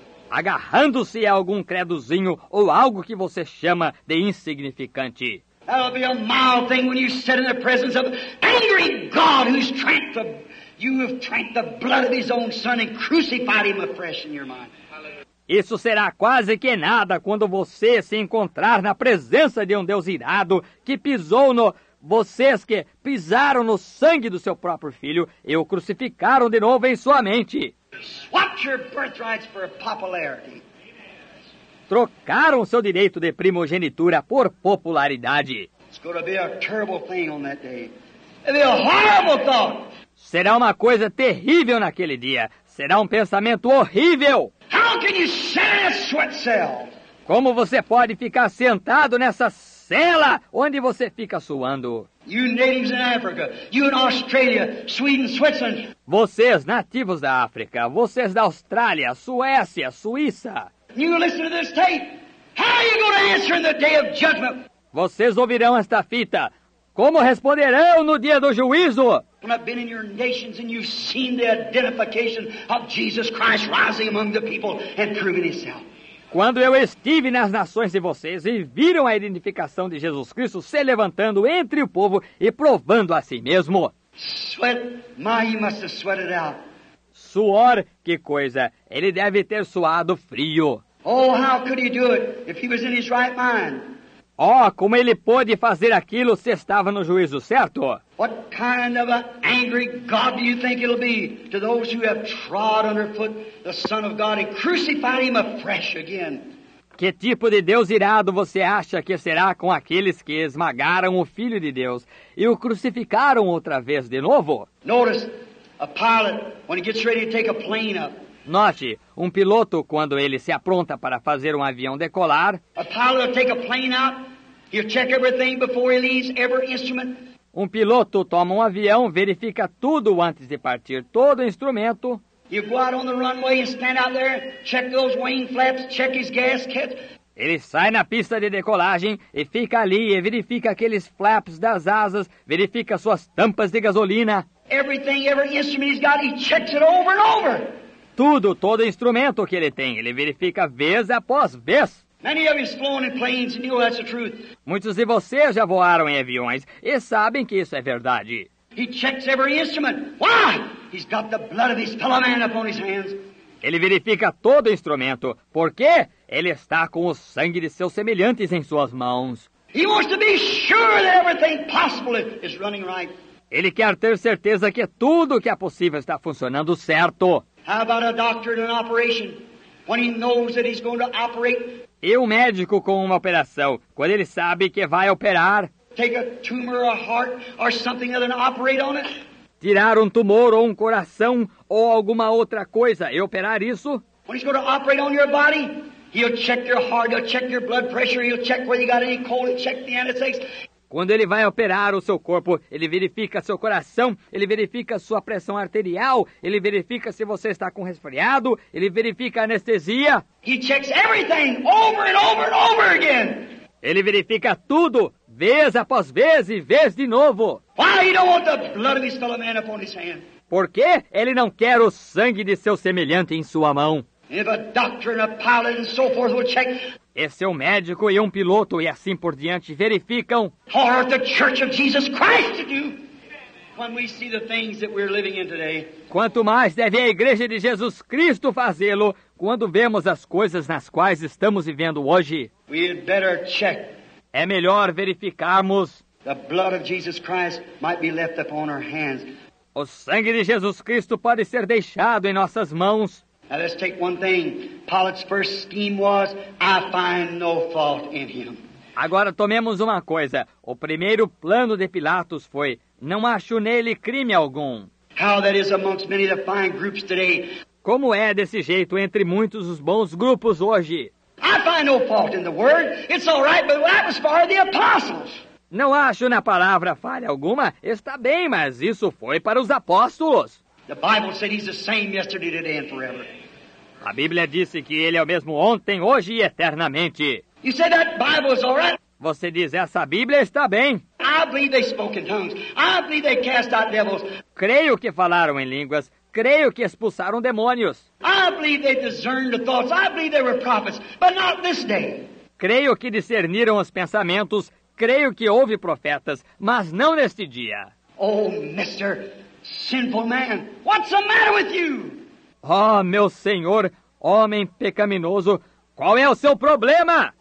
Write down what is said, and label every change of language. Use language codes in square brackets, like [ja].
[pt] Agarrando-se a algum credozinho ou algo que você chama de insignificante. [en] That'll be a mild thing when you sit in the presence of an angry God who's trying to... You have drank the blood of his own son and crucified him afresh in your mind. [pt] Isso será quase que nada quando você se encontrar na presença de um Deus irado que pisou no... Vocês que pisaram no sangue do seu próprio filho e o crucificaram de novo em sua mente. [en] Swap your birthrights for popularity. [pt] Trocaram seu direito de primogenitura por popularidade. [en] It's going to be a terrible thing on that day. It'll be a horrible thought. [pt] Será uma coisa terrível naquele dia. Será um pensamento horrível. [en] How can you sit in a sweat cell? [pt] Como você pode ficar sentado nessa cela onde você fica suando? [en] You natives in Africa, you in Australia, Sweden, Switzerland. [pt] Vocês nativos da África, vocês da Austrália, Suécia, Suíça. [en] You listen to this tape. How are you going to answer in the day of judgment? [pt] Vocês ouvirão esta fita. Como responderão no dia do juízo? [en] When I've been in your nations and you've seen the identification of Jesus Christ rising among the people and proving himself. [pt] Quando eu estive nas nações de vocês e viram a identificação de Jesus Cristo se levantando entre o povo e provando a si mesmo. [en] Sweat, my, you must have sweated out. [pt] Suor, que coisa, ele deve ter suado frio. [en] Oh, how could he do it if he was in his right mind? [pt] Oh, como ele pôde fazer aquilo se estava no juízo certo? [en] What kind of an angry God do you think it'll be to those who have trod underfoot the Son of God and crucified him afresh again? [pt] Que tipo de Deus irado você acha que será com aqueles que esmagaram o Filho de Deus e o crucificaram outra vez de novo? [en] Notice a pilot when he gets ready to take a plane up. [pt] Note, um piloto quando ele se apronta para fazer um avião decolar. [en] A pilot will take a plane up. He'll check everything before he leaves every instrument. [pt] Um piloto toma um avião, verifica tudo antes de partir, todo instrumento. [en] You go out on the runway and stand out there, check those wing flaps, check his gas kit. [pt] Ele sai na pista de decolagem e fica ali e verifica aqueles flaps das asas, verifica suas tampas de gasolina. [en] Everything, every instrument he's got, he checks it over and over. [pt] Tudo, todo instrumento que ele tem, ele verifica vez após vez. [en] Many of you have flown in planes and you know that's the truth. [pt] Muitos de vocês já voaram em aviões e sabem que isso é verdade. [en] He checks every instrument. Why? He's got the blood of his fellow man upon his hands. [pt] Ele verifica todo o instrumento. Por quê? Ele está com o sangue de seus semelhantes em suas mãos. [en] He wants to be sure that everything possible is running right. [pt] Ele quer ter certeza que tudo o que é possível está funcionando certo. [en] How about a doctor in an operation when he knows that he's going to operate? [pt] E um médico com uma operação, quando ele sabe que vai operar? [en] Take a tumor, a heart, or something other and operate on it. [pt] Tirar um tumor ou um coração ou alguma outra coisa e operar isso? [en] When he's going to operate on your body, he'll check your heart, he'll check your blood pressure, he'll check whether you got any cold, he'll check the anesthetics. [pt] Quando ele vai operar o seu corpo, ele verifica seu coração, ele verifica sua pressão arterial, ele verifica se você está com resfriado, ele verifica a anestesia. [en] He checks everything over and over and over again. [pt] Ele verifica tudo, vez após vez e vez de novo. [en] Why he don't want the blood of his fellow man upon his hand? [pt] Por que ele não quer o sangue de seu semelhante em sua mão? [en] If a doctor and a pilot and so forth will check. [pt] Esse é um médico e um piloto e assim por diante verificam. [en] What ought the Church of Jesus Christ to do when we see the things that we're living in today? [pt] Quanto mais deve a Igreja de Jesus Cristo fazê-lo quando vemos as coisas nas quais estamos vivendo hoje? [en] We'd better check. [pt] É melhor verificarmos. [en] The blood of Jesus Christ might be left upon our hands. [pt] O sangue de Jesus Cristo pode ser deixado em nossas mãos. [en] Now let's take one thing. Pilate's first scheme was, I find no fault in him. [pt] Agora tomemos uma coisa. O primeiro plano de Pilatos foi, não acho nele crime algum. [en] How that is amongst many of the fine groups today. [pt] Como é desse jeito entre muitos os bons grupos hoje? [en] I find no fault in the word. It's all right, but that was for the apostles. [pt] Não acho na palavra falha alguma. Está bem, mas isso foi para os apóstolos. [en] The Bible said he's the same yesterday, today, and forever. [pt] A Bíblia disse que ele é o mesmo ontem, hoje e eternamente. [en] You said that Bible is all right? [pt] Você diz, essa Bíblia está bem. [en] I believe they spoke in tongues. I believe they cast out devils. [pt] Creio que falaram em línguas. Creio que expulsaram demônios. [en] I believe they discerned the thoughts. I believe they were prophets, but not this day. [pt] Creio que discerniram os pensamentos. Creio que houve profetas, mas não neste dia. [en] Oh, Mister Sinful man, what's the matter with you? [pt] Oh, meu Senhor, homem pecaminoso, qual é o seu problema?